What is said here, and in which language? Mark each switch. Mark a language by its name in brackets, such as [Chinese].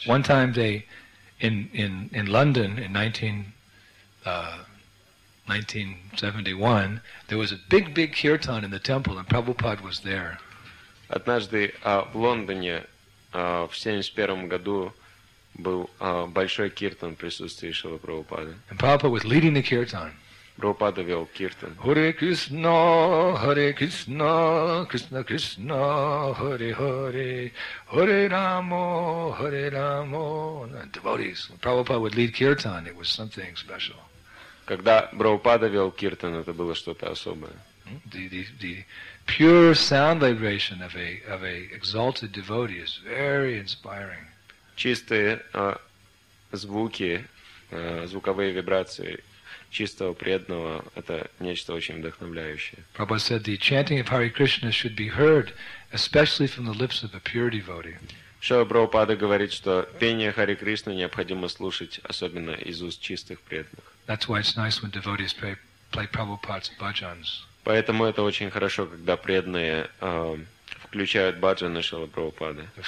[English] One time they in London in 1971 there was a big kirtan in the temple and Prabhupada was there. [Russian] Однажды в Лондоне в 71 году был большой киртан в присутствии Шрилы Прабхупады. [English] And Prabhupada was leading the kirtan. [Russian] Прабхупада вел киртан. [Sanskrit] Hare Krishna, Hare Krishna, Krishna Krishna, Hare Hare, Hare Rama, Hare Rama. [English] And devotees, when Prabhupada would lead kirtan, it was something special. [Russian] Когда Прабхупада вел киртан, это было что-то особое. [English] The pure sound vibration of a exalted devotee is very inspiring. [Russian] Чистые звуки, звуковые вибрации чистого преданного – это нечто очень вдохновляющее. [English] Prabhupada said the chanting of Hare Krishna should be heard, especially from the lips of a pure devotee. [Russian] Шрила Прабхупада говорит, что пение Харе Кришны необходимо слушать, особенно из уст чистых преданных. [English] That's why it's nice when devotees play Prabhupada's bhajans. [Russian] Поэтому это очень хорошо, когда преданные включают бхаджаны Шрилы Прабхупады.